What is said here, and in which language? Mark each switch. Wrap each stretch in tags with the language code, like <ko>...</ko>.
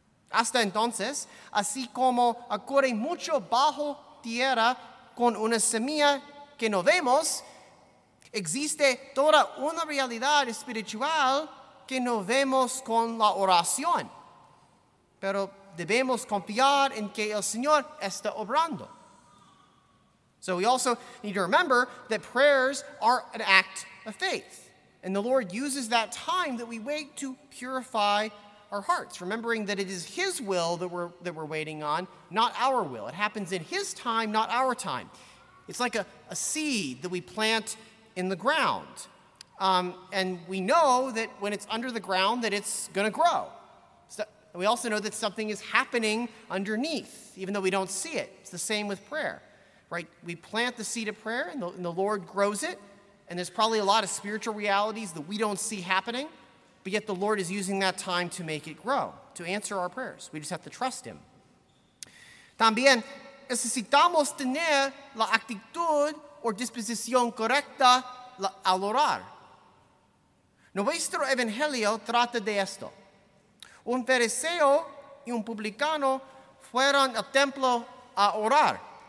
<es>Hasta entonces, así como ocurre mucho bajo tierra con una semilla que no vemos, existe toda una realidad espiritual que no vemos con la oración. Pero debemos confiar en que el Señor está obrando.</es> <en>So we also need to remember that prayers are an act of faith. And the Lord uses that time that we wait to purify our hearts, remembering that it is His will that we're waiting on, not our will. It happens in His time, not our time. It's like a seed that we plant in the ground. And we know that when it's under the ground, that it's going to grow. So, we also know that something is happening underneath, even though we don't see it. It's the same with prayer, right? We plant the seed of prayer, and the Lord grows it. And there's probably a lot of spiritual realities that we don't see happening, but yet the Lord is using that time to make it grow, to answer our prayers. We just have to trust Him.</en> <es>También necesitamos tener la actitud o disposición correcta al orar. Nuestro evangelio trata de esto. Un fariseo y un publicano fueron al templo a orar.</es>